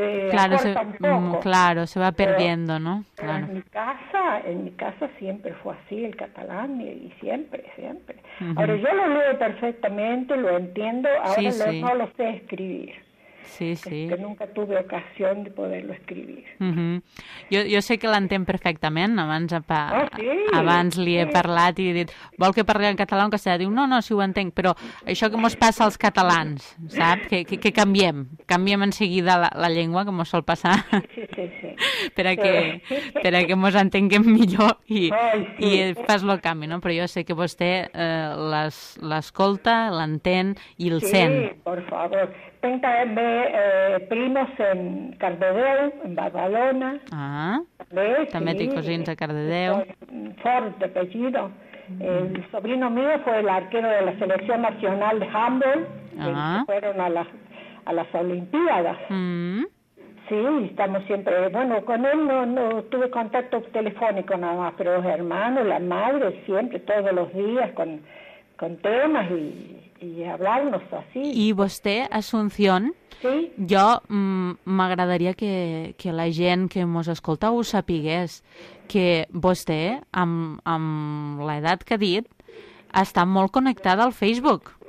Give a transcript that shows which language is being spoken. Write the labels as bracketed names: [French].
[Spanish] claro, se va perdiendo, pero, ¿no? Claro. En mi casa siempre fue así el catalán y siempre. Ahora yo lo leo perfectamente, lo entiendo, ahora no lo sé escribir. Sí. Que nunca tuve [Catalan] ocasió de poder-lo escriure. Jo sé que l'entén perfectament, abans, abans li he parlat i he dit, vol que parli en català o en castellà? Diu, no, si ho entenc, però això que mos passa als catalans, sap? Que canviem en seguida la llengua, que mos sol passar. Sí. perquè mos entenguem millor i fas el canvi, no? Però jo sé que vostè l'escolta, l'entén i el sent. [Spanish] Sí, por favor. [Catalan] Tinc també [Spanish] primos en [Catalan] Cardedeu, en Badalona. Ah, també tinc cosins a Cardedeu. [Spanish] Fort, de apellido. El sobrino mío fue el arquero de la selección nacional de handball, que fueron a las Olimpiadas. Sí, estamos siempre, bueno, con él no tuve contacto telefónico nada más, pero los hermanos, la madre, siempre, todos los días con temas y hablarnos así. Y usted, Asunción, yo [Catalan] m'agradaria que la gent que mos escolta ho sapigués, que vostè, amb l'edat que ha dit, està molt connectada al Facebook.